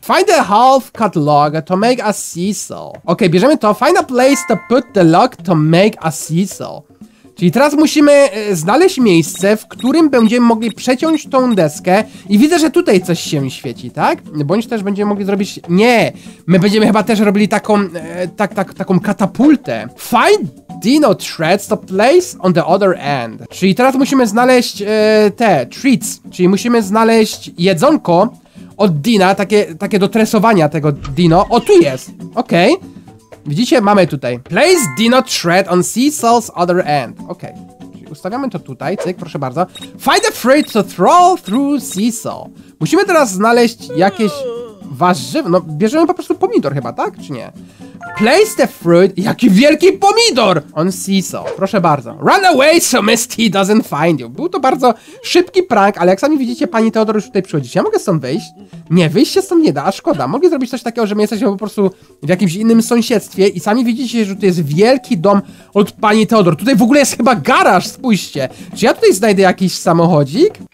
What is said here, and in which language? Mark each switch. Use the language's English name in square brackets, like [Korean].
[English] Find a half-cut log to make a seesaw. Okej, okay, [Polish] bierzemy to. [English] Find a place to put the log to make a seesaw. [Polish] Czyli teraz musimy znaleźć miejsce, w którym będziemy mogli przeciąć tą deskę. I widzę, że tutaj coś się świeci, tak? Bądź też będziemy mogli zrobić... Nie! My będziemy chyba też robili taką... taką katapultę. [English] Find Dino Treads to place on the other end. [Polish] Czyli teraz musimy znaleźć te treats. Czyli musimy znaleźć jedzonko od Dina, takie do tresowania tego Dino. O, tu jest! Okej. Okay. Widzicie? Mamy tutaj. [English] Place Dino Thread on Seesaw's other end. [Polish] Okej. Okay. Ustawiamy to tutaj, cyk, proszę bardzo. [English] Find a fruit to throw through Seesaw. [Polish] Musimy teraz znaleźć jakieś warzywo. No, bierzemy po prostu pomidor chyba, tak? Czy nie? [English] Place the fruit... [Polish] Jaki wielki pomidor! On Seesaw. Proszę bardzo. [English] Run away so Misty doesn't find you. [Polish] Był to bardzo szybki prank, ale jak sami widzicie, pani Teodor już tutaj przychodzi. Ja mogę stąd wyjść? Nie, wyjść się stąd nie da, a szkoda. Mogli zrobić coś takiego, że my jesteśmy po prostu w jakimś innym sąsiedztwie i sami widzicie, że tu jest wielki dom od pani Teodor. Tutaj w ogóle jest chyba garaż, spójrzcie. Czy ja tutaj znajdę jakiś samochodzik?